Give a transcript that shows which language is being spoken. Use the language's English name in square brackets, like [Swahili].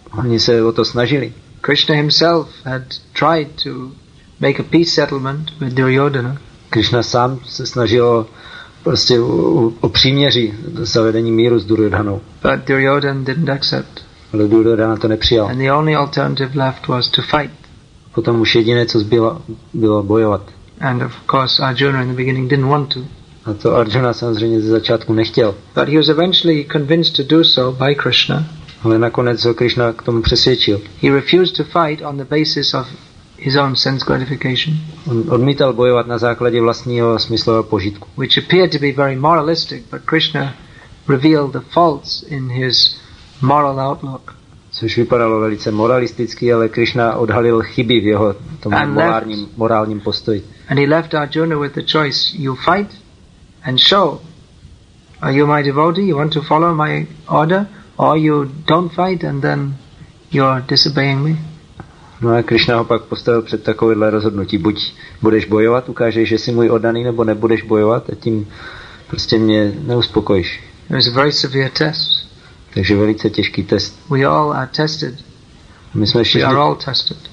[Czech] Oni se o to snažili. [English] Krishna himself had tried to make a peace settlement with Duryodhana. [Czech] Krishna sám se snažil prostě o příměří zavedení míru s Duryodhanou. [English] But Duryodhan didn't accept. [Czech] Ale Duryodhana to nepřijal. [English] And the only alternative left was to fight. [Czech] Potom už jediné, co zbylo, bylo bojovat. [English] And of course Arjuna in the beginning didn't want to. [Czech] A to Arjuna samozřejmě ze začátku nechtěl. [English] But he was eventually convinced to do so by Krishna. [Czech] Ale nakonec ho Krishna k tomu přesvědčil. [English] He refused to fight on the basis of his own sense gratification. [Czech] On odmítal bojovat na základě vlastního smyslového požitku. [English] Which appeared to be very moralistic, but Krishna revealed the faults in his moral outlook. [Czech] Což vypadalo velice moralisticky, ale Krishna odhalil chyby v jeho tom morálním postoji. [English] And he left Arjuna with the choice, you fight and show. Are you my devotee? You want to follow my order? Or you don't fight and then you're disobeying me? [Czech] No a Krishna ho pak postavil před takovéhle rozhodnutí. Buď budeš bojovat, ukážeš, že jsi můj oddaný, nebo nebudeš bojovat a tím prostě mě neuspokojíš. [English] It was a very severe test. [Czech] Takže velice těžký test. [English] We all are tested. [Czech] My jsme všichni, [English] we are all tested.